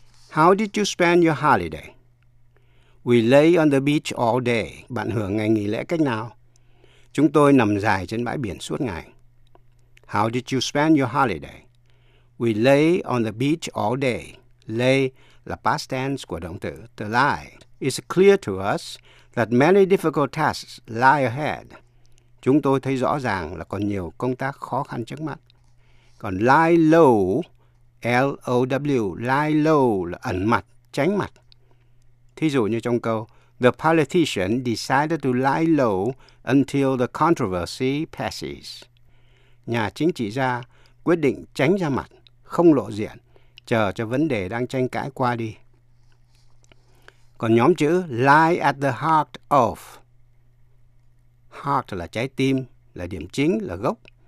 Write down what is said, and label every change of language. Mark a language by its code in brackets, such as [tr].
[en] How did you spend your holiday? We lay on the beach all day. [vi] Bạn hưởng ngày nghỉ lễ cách nào? Chúng tôi nằm dài trên bãi biển suốt ngày. [en] How did you spend your holiday? We lay on the beach all day. [vi] Lay là past tense của động từ to lie. [en] It's clear to us that many difficult tasks lie ahead. [vi] Chúng tôi thấy rõ ràng là còn nhiều công tác khó khăn trước mắt. Còn lie low, L-O-W, lie low là ẩn mặt, tránh mặt. Thí dụ như trong câu, [en] the politician decided to lie low until the controversy passes. [vi] Nhà chính trị gia quyết định tránh ra mặt, không lộ diện, chờ cho vấn đề đang tranh cãi qua đi. Còn nhóm chữ lie at the heart of. Heart là trái tim, là điểm chính, là gốc.